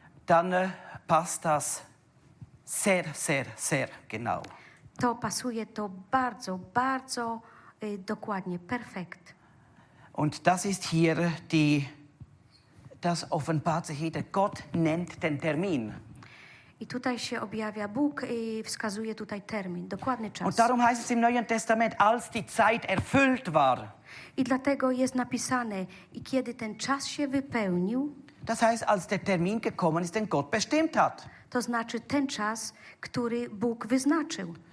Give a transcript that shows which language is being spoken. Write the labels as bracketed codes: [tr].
[de] Dann passt das sehr, sehr, sehr genau. [pl] To pasuje to bardzo, bardzo dokładnie, perfekt. [de] Und das ist hier die, das offenbart sich hier, Gott nennt den Termin. [pl] I tutaj się objawia Bóg i wskazuje tutaj termin, dokładny czas. [de] Und darum heißt es im Neuen Testament, als die Zeit erfüllt war. [pl] I dlatego jest napisane, i kiedy ten czas się wypełnił. [de] Das heißt, als der Termin gekommen ist, den Gott bestimmt hat. [pl] To znaczy ten czas, który Bóg wyznaczył.